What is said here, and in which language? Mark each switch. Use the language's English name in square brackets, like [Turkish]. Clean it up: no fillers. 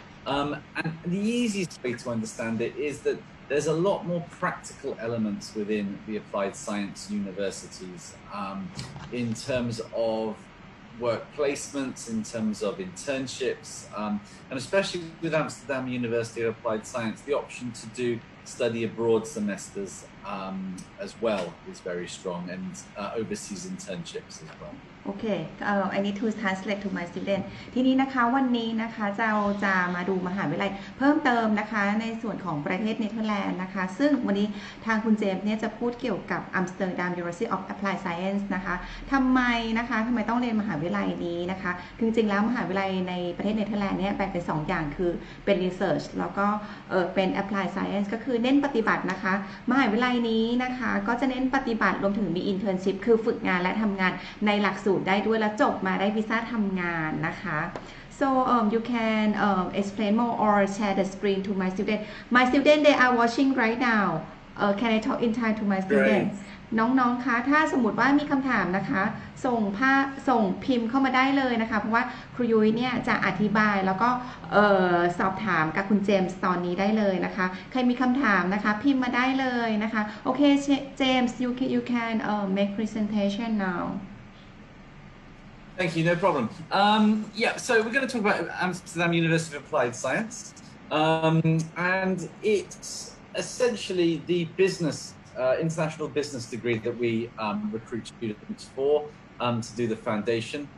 [English] And the easiest way to understand it is that there's a lot more practical elements within the applied science universities in terms of work placements, in terms of internships, and especially with Amsterdam University of Applied Science, the option to do study abroad semesters as well is very strong, and overseas internships as well. Okay, I need to translate to my student. [Thai] ทีนี้นะคะวันนี้นะคะเราจะมาดูมหาวิทยาลัยเพิ่มเติมนะคะในส่วนของประเทศเนเธอร์แลนด์นะคะซึ่งวันนี้ทางคุณเจมส์เนี่ยจะพูดเกี่ยวกับอัมสเตอร์ดัม University of Applied Science นะคะทำไม ต้องเรียนมหาวิทยาลัยนี้นะคะจริงๆแล้วมหาวิทยาลัยในประเทศเนเธอร์แลนด์เนี่ยแบ่งเป็น2อย่างคือเป็น Research แล้วก็เป็น Applied Science ก็คือเน้นปฏิบัตินะคะมหาวิทยาลัยนี้นะคะก็จะเน้นปฏิบัติรวมถึงมี Internship คือฝึกงานและทำงานในหลักสูตรได้ด้วยแล้วจบมาได้วีซ่าทำงานนะคะ [English] so you can explain more or share the screen to my student they are watching right now can I talk in time to my student [Thai] น้องๆคะถ้าสมมติว่ามีคำถามนะคะส่งพิมพ์เข้ามาได้เลยนะคะเพราะว่าครูยุ้ยเนี่ยจะอธิบายแล้วก็สอบถามกับคุณเจมส์ตอนนี้ได้เลยนะคะใครมีคำถามนะคะพิมพ์มาได้เลยนะคะโอเคเจมส์ [English] you can make presentation now Thank you, no problem. So we're going to talk about Amsterdam University of Applied Science. And it's essentially the business, international business degree that we recruit students for to do the foundation.